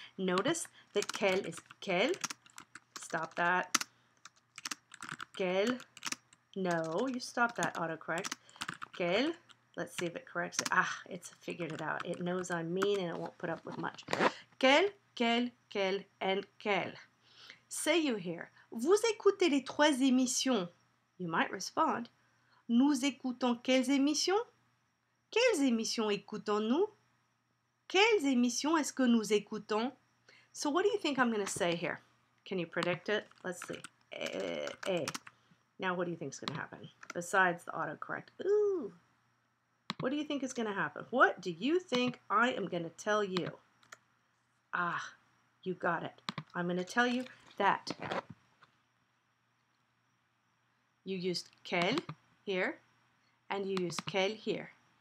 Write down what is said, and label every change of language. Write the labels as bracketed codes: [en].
[en] Notice that quel is quel. Stop that. Quel. No, you stop that autocorrect. Quel. Let's see if it corrects it. Ah, it's figured it out. It knows I'm mean and it won't put up with much. Quel, quel, quel, and quel. Say you hear, [fr] vous écoutez les trois émissions. [en] You might respond, [fr] nous écoutons quelles émissions? Quelles émissions écoutons-nous? Quelles émissions est-ce que nous écoutons? [en] So what do you think I'm going to say here? Can you predict it? Let's see. A. Now what do you think is going to happen? Besides the autocorrect. Ooh. What do you think is going to happen? What do you think I am going to tell you? Ah, you got it. I'm going to tell you that you used quel here and you used quel here.